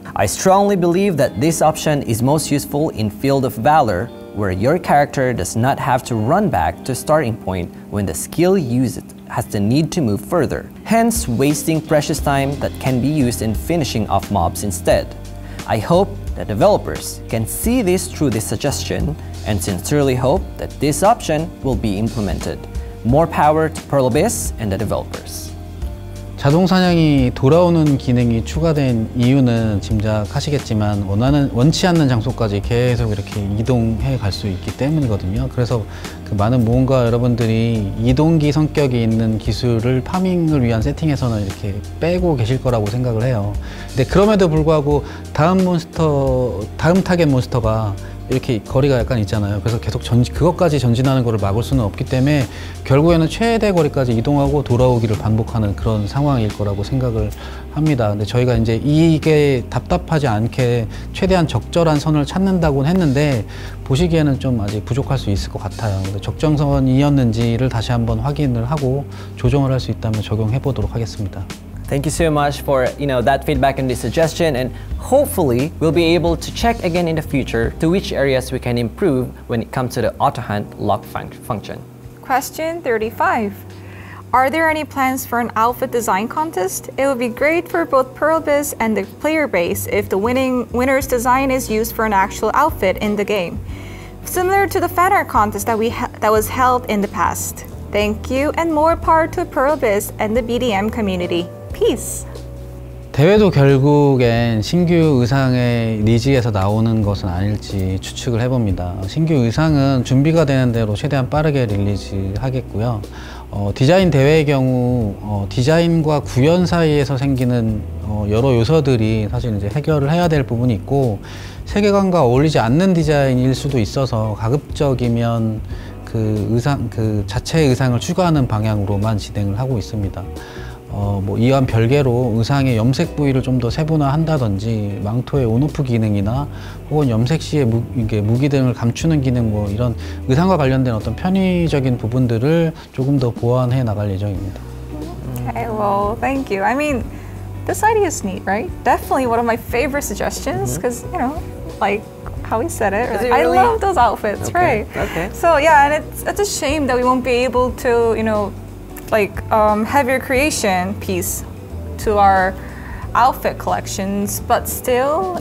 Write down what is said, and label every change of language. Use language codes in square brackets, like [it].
[en] I strongly believe that this option is most useful in Field of Valor, where your character does not have to run back to starting point when the skill used has the need to move further, hence wasting precious time that can be used in finishing off mobs instead. I hope that developers can see this through this suggestion and sincerely hope that this option will be implemented. More power to Pearl Abyss and the developers. [ko] 자동 사냥이 돌아오는 기능이 추가된 이유는 짐작하시겠지만 원치 않는 장소까지 계속 이렇게 이동해 갈 수 있기 때문이거든요. 그래서 그 많은 모험가 여러분들이 이동기 성격이 있는 기술을 파밍을 위한 세팅에서는 이렇게 빼고 계실 거라고 생각을 해요. 근데 그럼에도 불구하고 다음 타겟 몬스터가 이렇게 거리가 약간 있잖아요. 그래서 계속 그것까지 전진하는 것을 막을 수는 없기 때문에 결국에는 최대 거리까지 이동하고 돌아오기를 반복하는 그런 상황일 거라고 생각을 합니다. 근데 저희가 이제 이게 답답하지 않게 최대한 적절한 선을 찾는다고는 했는데 보시기에는 좀 아직 부족할 수 있을 것 같아요. 근데 적정선이었는지를 다시 한번 확인을 하고 조정을 할 수 있다면 적용해 보도록 하겠습니다. [en] Thank you so much for, that feedback and the suggestion, and hopefully we'll be able to check again in the future to which areas we can improve when it comes to the auto hunt lock function. Question 35. Are there any plans for an outfit design contest? It would be great for both Pearl Abyss and the player base if the winner's design is used for an actual outfit in the game. Similar to the fan art contest that was held in the past. Thank you, and more power to Pearl Abyss and the BDM community. Peace. [ko] 대회도 결국엔 신규 의상의 니즈에서 나오는 것은 아닐지 추측을 해봅니다. 신규 의상은 준비가 되는 대로 최대한 빠르게 릴리즈 하겠고요. 디자인 대회의 경우 디자인과 구현 사이에서 생기는 여러 요소들이 사실 이제 해결을 해야 될 부분이 있고 세계관과 어울리지 않는 디자인일 수도 있어서 가급적이면 그 자체 의상을 추가하는 방향으로만 진행을 하고 있습니다. 이와 별개로 의상의 염색 부위를 좀 더 세분화한다든지 망토의 온오프 기능이나 혹은 염색 시에 무기 등을 감추는 기능 뭐 이런 의상과 관련된 어떤 편의적인 부분들을 조금 더 보완해 나갈 예정입니다. [en] Okay, well, thank you. I mean, this idea is neat, right? Definitely one of my favorite suggestions because, how he said it. Really? I love those outfits, okay. Right? Okay. So, yeah, and it's a shame that we won't be able to, have your creation piece to our outfit collections, but still...